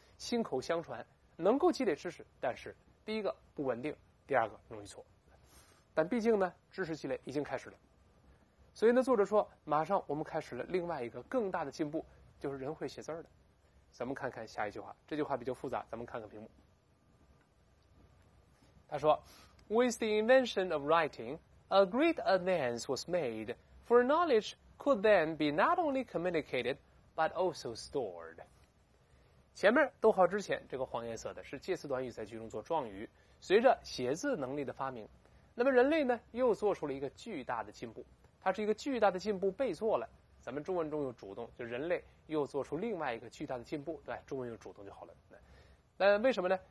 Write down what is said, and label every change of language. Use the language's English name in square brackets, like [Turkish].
[Chinese] 心口相传能够积累知识，但是第一个不稳定，第二个容易错，但毕竟呢知识积累已经开始了。所以呢作者说，马上我们开始了另外一个更大的进步，就是人会写字儿的。咱们看看下一句话，这句话比较复杂，咱们看看屏幕。他说 [English] With the invention of writing, a great advance was made for knowledge could then be not only communicated but also stored. [Chinese] 前面逗号之前这个黄颜色的是介词短语在句中做状语，随着写字能力的发明，那么人类呢又做出了一个巨大的进步。它是一个巨大的进步被做了，咱们中文中有主动，就人类又做出另外一个巨大的进步，对，中文有主动就好了。那为什么呢？